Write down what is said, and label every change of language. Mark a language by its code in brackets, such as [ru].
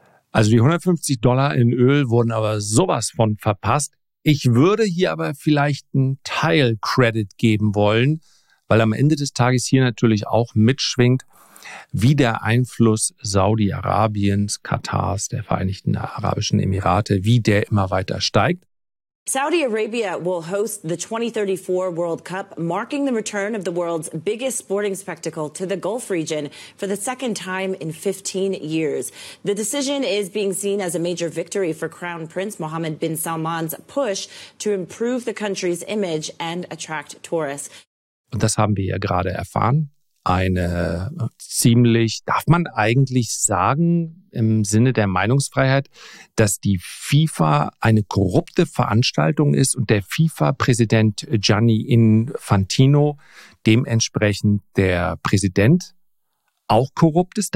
[de] Also die $150 in Öl wurden aber sowas von verpasst. Ich würde hier aber vielleicht einen Teil Credit geben wollen, weil am Ende des Tages hier natürlich auch mitschwingt, wie der Einfluss Saudi-Arabiens, Katars, der Vereinigten Arabischen Emirate, wie der immer weiter steigt. [en] Saudi-Arabia will host the 2034 World Cup, marking the return of the world's biggest sporting spectacle to the Gulf region for the second time in 15 years. The decision is being seen as a major victory for Crown Prince Mohammed bin Salman's push to improve the country's image and attract tourists. [de] Und das haben wir ja gerade erfahren. Eine ziemlich, darf man eigentlich sagen, im Sinne der Meinungsfreiheit, dass die FIFA eine korrupte Veranstaltung ist und der FIFA-Präsident Gianni Infantino dementsprechend der Präsident auch korrupt ist?